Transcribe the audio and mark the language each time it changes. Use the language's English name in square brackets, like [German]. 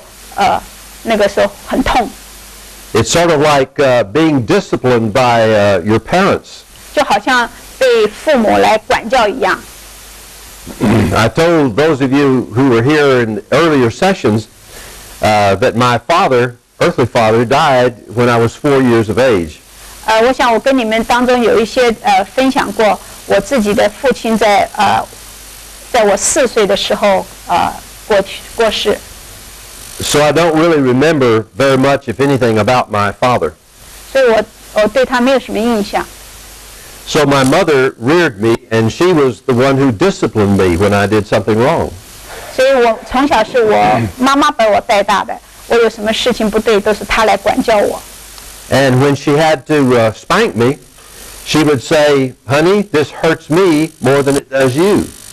[Chinese] 我要跟你们讲的就是每一次当神来修剪我这个枝子修剪我的这块石头把我切掉把我锯掉的时候那个时候很痛 [English] It's sort of like being disciplined by your parents. [Chinese] 就好像被父母来管教一样 [English] I told those of you who were here in earlier sessions that my father, earthly father, died when I was 4 years of age. [Chinese] 我想我跟你们当中有一些分享过我自己的父亲在我四岁的时候过世。 [English] So I don't really remember very much, if anything, about my father. [Chinese] 所以我对他没有什么印象。 [English] So my mother reared me, and she was the one who disciplined me when I did something wrong. And when she had to spank me, she would say, Honey, this hurts me more than it does you.